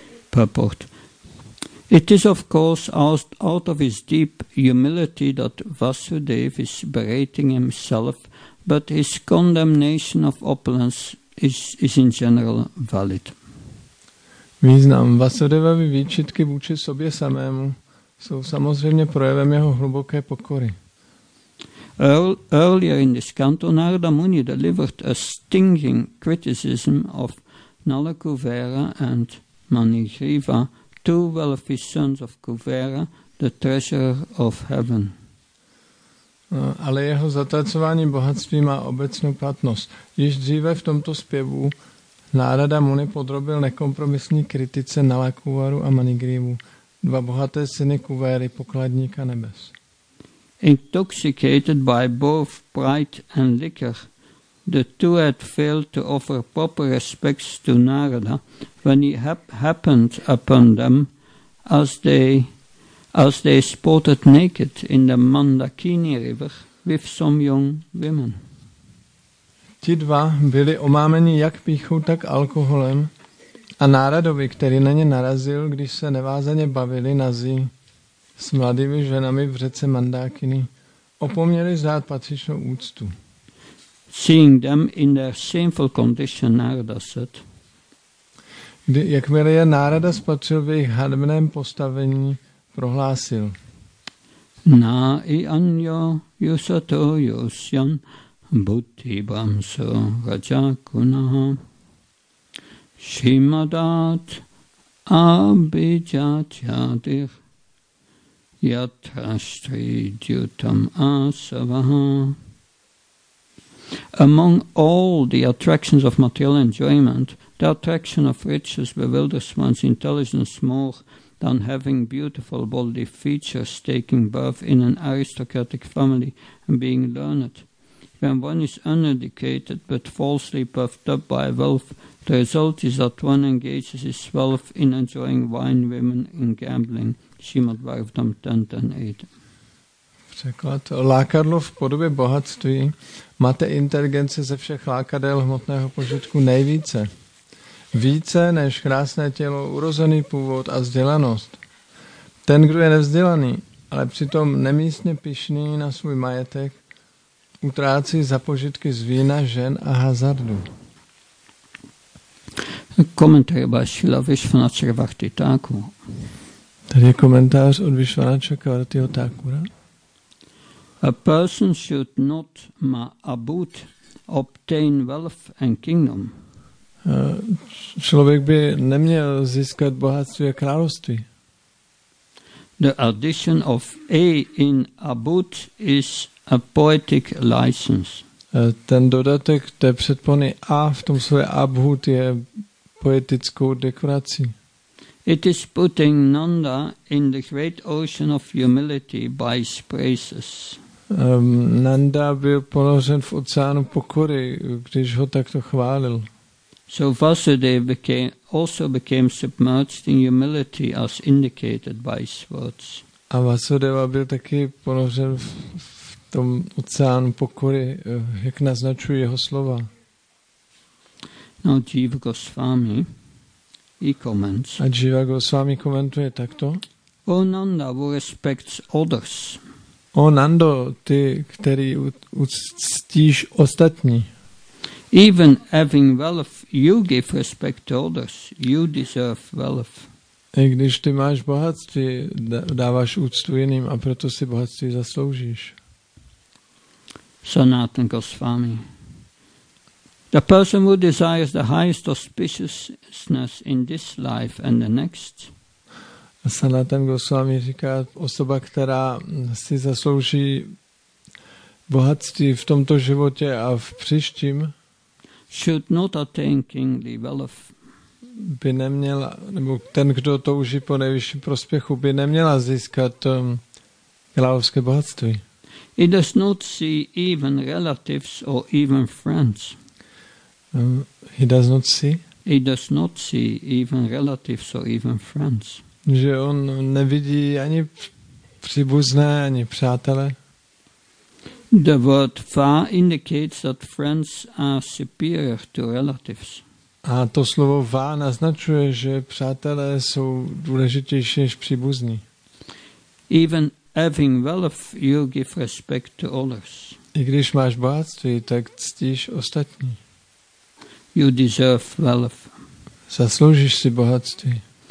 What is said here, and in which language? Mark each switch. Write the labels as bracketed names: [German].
[English] Purport. It is of course out of his deep humility that Vasudev is berating himself, but his condemnation of opulence is in general valid. [Czech] Význam Vasudevovy výčitky vůči sobě samému jsou samozřejmě projevem jeho hluboké pokory. [English] Earlier in this canto, Narada Muni delivered a stinging criticism of Nala Kuvera and Manigriva, two wealthy sons of Kuvera, the treasurer of heaven. [Czech] Ale jeho zatracování bohatství má obecnou platnost. Již dříve v tomto zpěvu Narada Muni podrobil nekompromisní kritice Nala Kuveru a Manigrivu, dva bohaté syny Kuvery, pokladníka nebes. [English] Intoxicated by both pride and liquor, the two had failed to offer proper respects to Narada when he happened upon them as they sported naked in the Mandakini River with some young women. [Czech] Ti dva byli omámeni jak pýchou, tak alkoholem a Náradovi, který na ně narazil, když se nevázaně bavili nazí s mladými ženami v řece Mandákiny, opomněli zdát patřičnou úctu. [English] Seeing them in their shameful condition, Narada said. [Czech] Kdy, jakmile je Narada spatřil v jejich hanebném postavení, prohlásil. [Sanskrit] Na i anjo yusato yusyan buddhi bamso rajakunaha shimadat abhijatyadir yatrashtri dyutam asavaha. [English] Among all the attractions of material enjoyment, the attraction of riches bewilders one's intelligence more than having beautiful bodily features, taking birth in an aristocratic family and being learned. When one is uneducated but falsely puffed up by wealth, the result is that one engages his wealth in enjoying wine, women and gambling. Shrimad Bhagavatam 10.10.8. [Czech] Překlad. Lákadlo v podobě bohatství máte inteligence ze všech lákadel hmotného požitku nejvíce. Více než krásné tělo, urozený původ a vzdělanost. Ten, kdo je nevzdělaný, ale přitom nemístně pyšný na svůj majetek, utrácí za požitky z vína, žen a hazardu. Komentář by Šila Vishvanatha Chakravarti Thakura. Tady je komentář od Vishvanatha Chakravartiho Thakura. [English] A person should not ma'abut obtain wealth and kingdom. [Czech] Člověk by neměl získat bohatství a království. [English] The addition of A in abut is a poetic license. [Czech] Ten dodatek té předpony A v tom slově abhut je poetickou dekorací. [English] It is putting Nanda in the great ocean of humility by his praises. [Czech] Nanda byl ponořen v oceánu pokory, když ho takto chválil. [English] So Vasudev also became submerged in humility as indicated by his words. [Czech] A Vasudeva byl taky ponořen v tom oceánu pokory, jak naznačují jeho slova. [English] Now Jiva Goswami, he comments. [Czech] A Jiva Goswami komentuje takto. [English] O Nanda, who respects others. [Czech] O Nando, ty, který ctíš ostatní. [English] Even having wealth, you give respect to others. You deserve wealth. [Czech] I když ty máš bohatství, dáváš úctu jiným a proto si bohatství zasloužíš. [English] Sanatan Goswami. The person who desires the highest auspiciousness in this life and the next. [Czech] Sanatan Goswami říká, osoba, která si zaslouží bohatství v tomto životě a v příštím, [English] should not attain kingly wealth. [Czech] By neměla, nebo ten, kdo touží po nejvyšším prospěchu, by neměla získat královské bohatství. [English] He does not see even relatives or even friends. He does not see? He does not see even relatives or even friends. [Czech] Že on nevidí ani příbuzné, ani přátele. [English] The word fa indicates that friends are superior to relatives. [Czech] A to slovo va naznačuje, že přátelé jsou důležitější než příbuzní. [English] Even having wealth, you give respect to others. [Czech] I když máš bohatství, tak ctíš ostatní. [English] You deserve wealth. [Czech] Zasloužíš si bohatství.